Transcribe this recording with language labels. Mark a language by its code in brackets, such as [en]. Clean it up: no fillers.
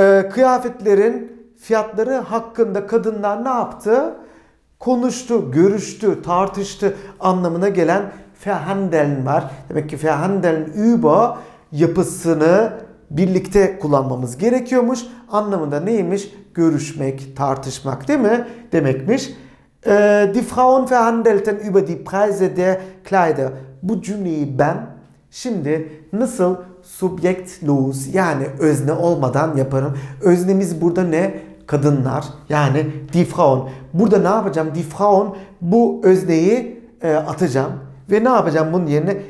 [tr] Kıyafetlerin fiyatları hakkında kadınlar ne yaptı? Konuştu, görüştü, tartıştı anlamına gelen verhandeln var. Demek ki verhandeln über yapısını birlikte kullanmamız gerekiyormuş. Anlamında neymiş? Görüşmek, tartışmak değil mi? Demekmiş. [de] Die Frauen verhandelten über die Preise der Kleider. [tr] Bu cümleyi ben şimdi nasıl subjektlos, yani özne olmadan yaparım. Öznemiz burada ne? Kadınlar. Yani die Frauen. Burada ne yapacağım? Die Frauen, bu özneyi atacağım. Ve ne yapacağım bunun yerine?